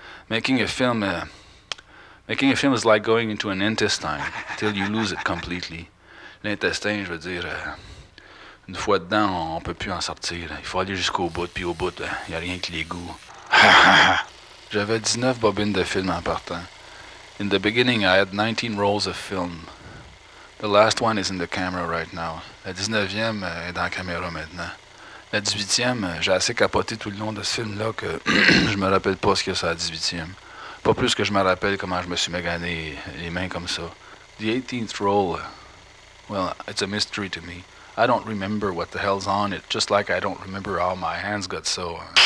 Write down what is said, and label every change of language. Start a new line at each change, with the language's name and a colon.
English: Making a film is like going into an intestine till you lose it completely.
French: L'intestin, je veux dire, une fois dedans, on ne peut plus en sortir. Il faut aller jusqu'au bout, puis au bout, il n'y a rien que les goûts. J'avais 19 bobines de film en partant.
English: In the beginning, I had 19 rolls of film. The last one is in the camera right now.
French: La 19e est dans la caméra maintenant. La 18e, j'ai assez capoté tout le long de ce film-là que je me rappelle pas ce qu'il y a sur la 18e. Pas plus que je me rappelle comment je me suis magané les mains comme ça.
English: The 18th roll, well, it's a mystery to me. I don't remember what the hell's on it, just like I don't remember how my hands got so...